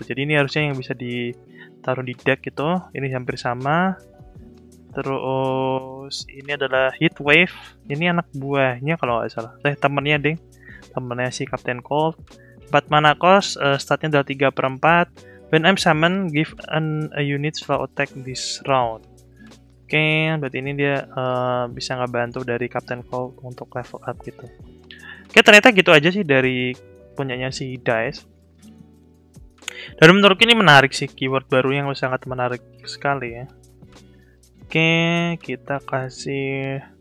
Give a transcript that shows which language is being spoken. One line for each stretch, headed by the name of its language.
Indonesian: Jadi ini harusnya yang bisa ditaruh di deck gitu. Ini hampir sama. Terus ini adalah Heat Wave. Ini anak buahnya kalau nggak salah. Temennya deh. Temennya si Captain Cold. 4 mana cost, statnya adalah 3/4.
English: When I'm summoned, give a unit slow attack this round.
Indonesian: Oke, okay, berarti ini dia bisa ngebantu dari Captain Cold untuk level up gitu. Oke, okay, ternyata gitu aja sih dari punyanya si Dice. Dan menurutku ini menarik sih, keyword baru yang sangat menarik sekali ya. Oke, okay, kita kasih...